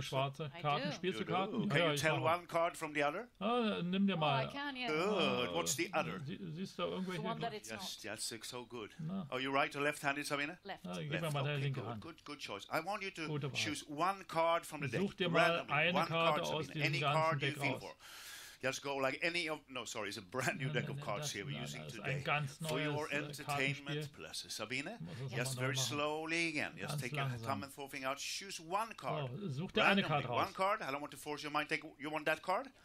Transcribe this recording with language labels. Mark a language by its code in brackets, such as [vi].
[de] schwarze Karten. Spielst du Karten? [en] Can you tell one card from the other? [de] Nimm dir mal. [en] Oh, I can, yes. Good. What's the other? [de] Siehst du irgendwelche? [en] The one that it's yes, not. Yes, that's so good. No. Oh, you right or left-handed, Sabine? Left. [de] Gib mir mal deine linke Hand. [en] Good choice. I want you to choose one card from the deck. [de] Such dir mal eine Karte aus diesem ganzen Deck aus. [en] Any card you feel for. Just go like any of, no, sorry, it's a brand new deck of cards here we're using today. For your entertainment, bless it. Sabine, yes, very slowly again. Just take your thumb and forefinger out. Choose one card. [de] Such dir eine Karte raus. [en] One card. I don't want to force your mind. Take, you want that card?